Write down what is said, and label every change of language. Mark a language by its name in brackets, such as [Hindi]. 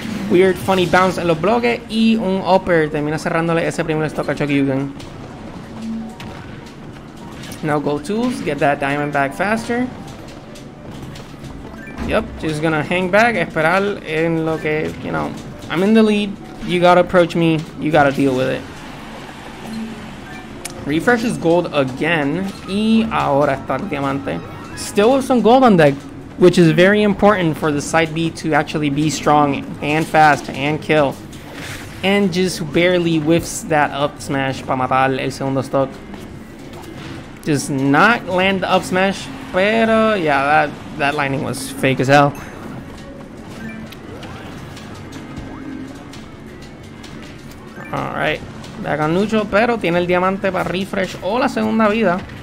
[Spanish] Weird funny bounce en los bloques y un upper termina cerrándole ese primer stock a Chokeyuken. [English] Now gold tools, get that diamond back faster. Yep, just gonna hang back, [Spanish] esperar en lo que, [English] you know, I'm in the lead, you gotta approach me, you gotta deal with it. Refreshes gold again, [Spanish] y ahora está el diamante. [English] Still with some gold on deck, which is very important for the side B to actually be strong and fast and kill. And just barely whiffs that up smash [Spanish] para matar el segundo stock. [English] Just not land the up smash, pero yeah, that lightning was fake as hell. [Spanish] Alright, [English] back on neutral, [Spanish] pero tiene el diamante para refresh o la segunda vida.